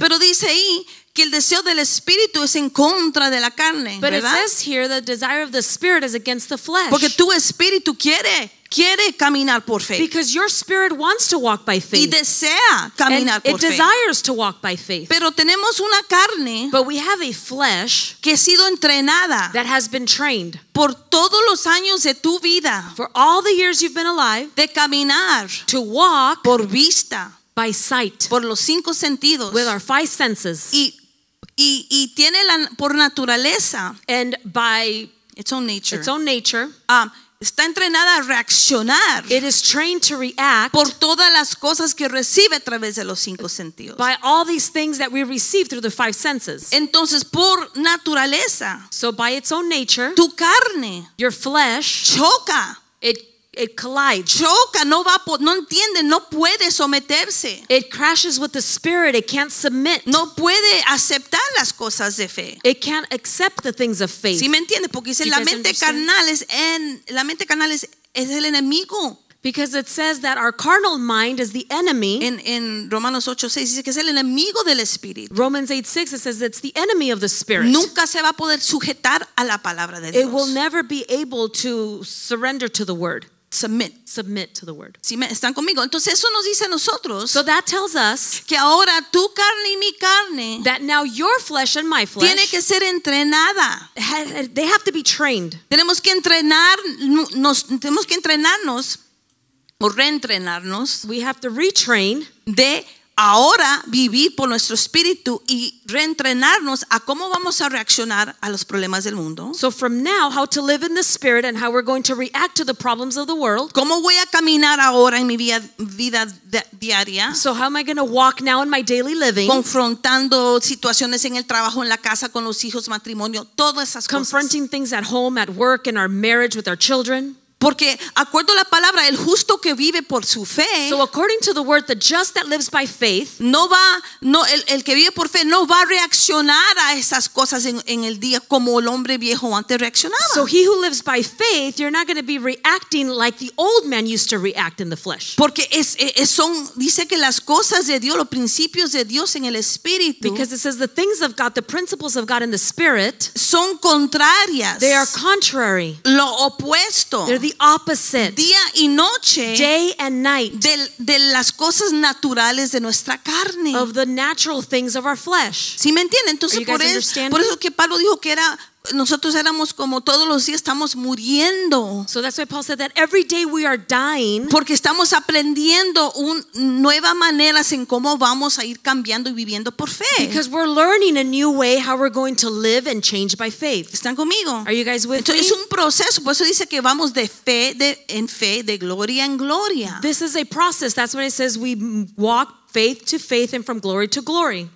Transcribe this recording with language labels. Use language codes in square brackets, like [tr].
[es] Pero dice ahí que el deseo del espíritu es en contra de la carne, [en] but [es] ¿verdad? [en] It says here the desire of the spirit is against the flesh. [es] Porque tu espíritu quiere caminar por fe. [en] Because your spirit wants to walk by faith. [es] Y desea caminar por fe. [en] It desires to walk by faith. [es] Pero tenemos una carne, [en] but we have a flesh [es] que ha sido entrenada, [en] that has been trained [es] por todos los años de tu vida, [en] for all the years you've been alive, [es] de caminar, [en] to walk [es] por vista, [en] by sight, [es] por los cinco sentidos, [en] with our five senses, [es] y tiene la por naturaleza, [en] and by its own nature. [es] Está entrenada a reaccionar. [en] It is trained to react [es] por todas las cosas que recibe a través de los cinco sentidos. [en] By all these things that we receive through the five senses. [es] Entonces, por naturaleza, [en] so by its own nature, [es] tu carne, [en] your flesh, [es] choca. [en] It collides. [es] Choca, no va, no entiende, no puede someterse. [en] It crashes with the spirit. It can't submit. [es] No puede aceptar las cosas de fe. [en] It can't accept the things of faith. [es] ¿Sí me entiende? Porque dice la mente carnal es el enemigo. [en] Because it says that our carnal mind is the enemy. [es] En Romanos 8:6 dice que es el enemigo del espíritu. [en] Romans 8:6 it says it's the enemy of the spirit. [es] Nunca se va a poder sujetar a la palabra de Dios. [en] It will never be able to surrender to the word. Submit to the word. [es] Si me están conmigo, entonces eso nos dice a nosotros. [en] So that tells us [es] que ahora tu carne y mi carne, [en] that now your flesh and my flesh, [es] tiene que ser entrenada. [en] They have to be trained. [es] Tenemos que entrenarnos o reentrenarnos. [en] We have to retrain [es] de ahora vivir por nuestro espíritu y reentrenarnos a cómo vamos a reaccionar a los problemas del mundo. [en] So from now, how to live in the spirit and how we're going to react to the problems of the world. [es] ¿Cómo voy a caminar ahora en mi vida diaria? [en] So how am I going to walk now in my daily living? [es] Confrontando situaciones en el trabajo, en la casa, con los hijos, matrimonio, todas esas cosas. [en] Confronting things at home, at work, in our marriage, with our children. [es] Porque acuerdo a la palabra, el justo que vive por su fe. [en] So according to the word, the just that lives by faith. [es] El que vive por fe no va a reaccionar a esas cosas en el día como el hombre viejo antes reaccionaba. [en] So he who lives by faith, you're not going to be reacting like the old man used to react in the flesh. [es] Porque son dice que las cosas de Dios, los principios de Dios en el espíritu. [en] Because it says the things of God, the principles of God in the spirit, [es] son contrarias. [en] They are contrary. [es] Lo opuesto. [en] The opposite, [es] día y noche, [en] day and night, [es] de las cosas naturales de nuestra carne, [en] of the natural things of our flesh. [es] ¿Sí me entienden? Entonces por eso que Pablo dijo que era nosotros éramos como todos los días estamos muriendo. [en] So that's why Paul said that every day we are dying. [es] Porque estamos aprendiendo nuevas maneras en cómo vamos a ir cambiando y viviendo por fe. [en] Because we're learning a new way how we're going to live and change by faith. [es] ¿Están conmigo? [en] Are you guys with [es] me? Es un proceso, por eso dice que vamos de fe en fe, de gloria en gloria. [en] This is a process. That's why it says we walk faith to faith and from glory to glory.